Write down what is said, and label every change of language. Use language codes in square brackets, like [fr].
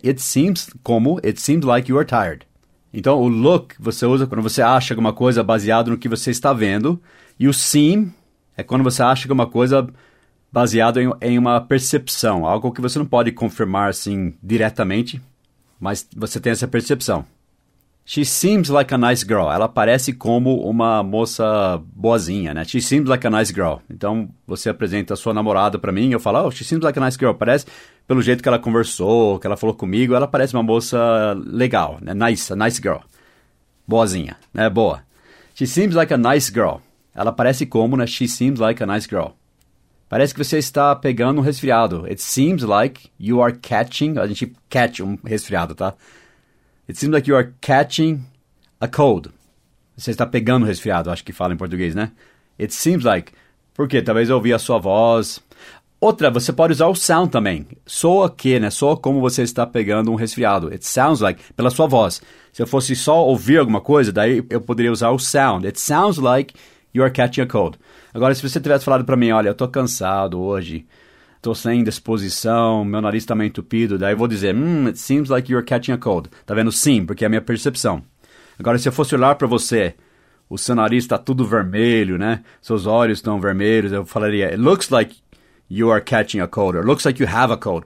[en] It seems [pt] como, [en] it seems like you are tired. [pt] Então, o look você usa quando você acha alguma coisa baseado no que você está vendo. E o seem é quando você acha alguma coisa baseado em uma percepção. Algo que você não pode confirmar assim diretamente. Mas você tem essa percepção. [en] She seems like a nice girl. [pt] Ela parece como uma moça boazinha, né? [en] She seems like a nice girl. [pt] Então, você apresenta a sua namorada para mim e eu falo, oh, [en] she seems like a nice girl. [pt] Parece, pelo jeito que ela conversou, que ela falou comigo, ela parece uma moça legal, né? [en] Nice, a nice girl. [pt] Boazinha, né? Boa. [en] She seems like a nice girl. [pt] Ela parece como, né? [en] She seems like a nice girl. [pt] Parece que você está pegando um resfriado. [en] It seems like you are catching... [pt] A gente catch um resfriado, tá? [en] It seems like you are catching a cold. [pt] Você está pegando um resfriado, acho que fala em português, né? [en] It seems like... [pt] Por quê? Talvez eu ouvi a sua voz. Outra, você pode usar o sound também. Soa que, né? Soa como você está pegando um resfriado. [en] It sounds like... [pt] Pela sua voz. Se eu fosse só ouvir alguma coisa, daí eu poderia usar o sound. [en] It sounds like you are catching a cold. [pt] Agora, se você tivesse falado para mim, olha, eu tô cansado hoje, tô sem disposição, meu nariz tá meio entupido, daí eu vou dizer, [en] it seems like you're catching a cold. [pt] Tá vendo? Sim, porque é a minha percepção. Agora, se eu fosse olhar para você, o seu nariz tá tudo vermelho, né? Seus olhos estão vermelhos, eu falaria, [en] it looks like you are catching a cold, or it looks like you have a cold.